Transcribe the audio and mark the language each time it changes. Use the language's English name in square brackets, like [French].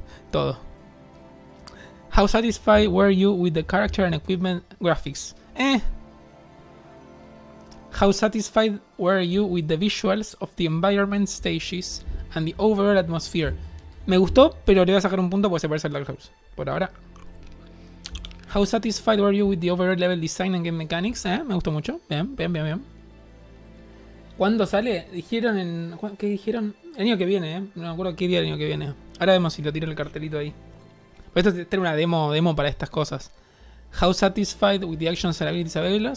[English] Todo. How satisfied were you with the character and equipment graphics? How satisfied were you with the visuals of the environment stages and the overall atmosphere? [Spanish] Me gustó, pero le voy a sacar un punto porque se parece al Dark Souls. Por ahora. [English] How satisfied were you with the overall level design and game mechanics? [Spanish] Me gustó mucho. Bien. ¿Cuándo sale? ¿Qué dijeron? El año que viene, No me acuerdo qué día el año que viene. Ahora vemos si lo tiro en el cartelito ahí. Pero esto es una demo para estas cosas. [English] How satisfied with the actions and abilities available?